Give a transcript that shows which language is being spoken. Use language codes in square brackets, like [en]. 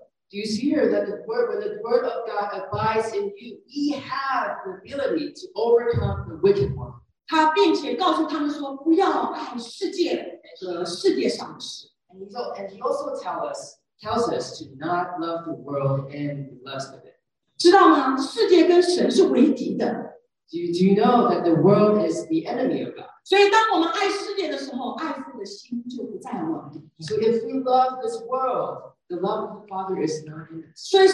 [en] Do you see here that the word, when the word of God abides in you, we have the ability to overcome the wicked one. [zh] 他并且告诉他们说，不要爱世界和世界上的事。 [en] And he also tells us to not love the world and the lust of it. [zh] 知道吗？世界跟神是为敌的。 [en] Do you know that the world is the enemy of God? [zh] 所以当我们爱世界的时候，爱父的心就不在我们。 [en] So if we love this world, the love of the Father is not in us.